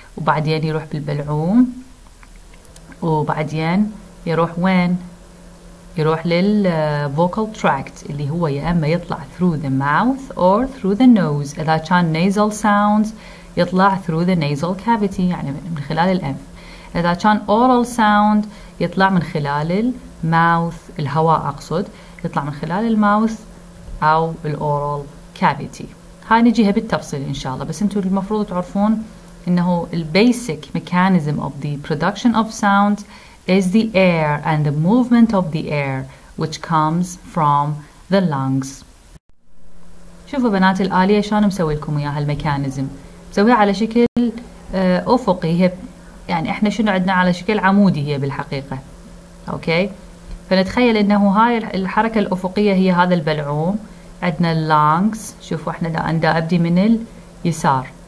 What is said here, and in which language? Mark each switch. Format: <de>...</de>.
<ar>وبعدين يروح بالبلعوم وبعدين يروح وين؟ يروح للvocal tract اللي هو يا أما يطلع</ar> <en>through the mouth or through the nose.</en> <ar>إذا كان nasal sounds يطلع through the nasal cavity يعني من خلال الأنف. إذا كان oral sound يطلع من خلال mouth الهواء أقصد يطلع من خلال mouth أو oral cavity. هاي نجيها بالتفصيل إن شاء الله بس أنتوا المفروض تعرفون إنه</ar> <en>basic mechanism of the production of sound is the air and the movement of the air which comes from the lungs.</en> <ar>شوفوا بنات الآلية شلون مسوي لكم اياها الميكانيزم. مسويها على شكل افقي هي يعني احنا شنو عندنا على شكل عمودي هي بالحقيقة. اوكي. فنتخيل انه هاي الحركة الافقية هي هذا البلعوم. عندنا اللانجز. شوفوا احنا دا ابدي من اليسار.</ar>